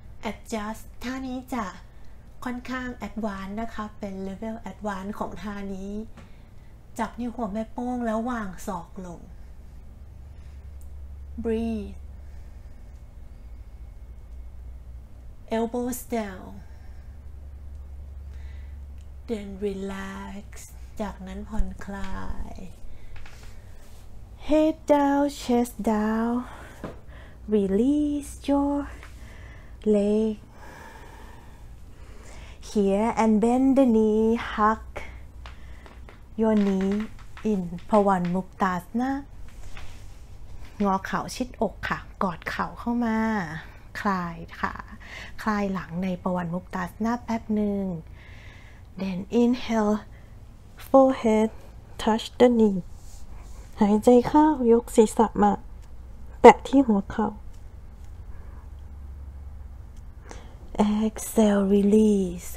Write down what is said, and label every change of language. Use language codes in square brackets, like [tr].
[th] adjust ท่านี้จ้ะค่อนข้างแอดวานซ์นะคะเป็นเลเวลแอดวานซ์ของท่านี้จับนิ้วหัวแม่โป้งแล้ววางศอกลง [en] breathe elbows down then relax [th] จากนั้นผ่อนคลาย [en] head down chest down release your legHere and bend the knee, hug your knee in Pawan Muktasana. [th] งอเข่าชิดอกค่ะกอดเข่าเข้ามาคลายค่ะคลายหลังใน Pawan Muktasana แป๊บหนึ่ง [en] Then inhale, forehead touch the knee. [th] หายใจเข้ายกศีรษะมาแตะที่หัวเข่า [en] Exhale, release.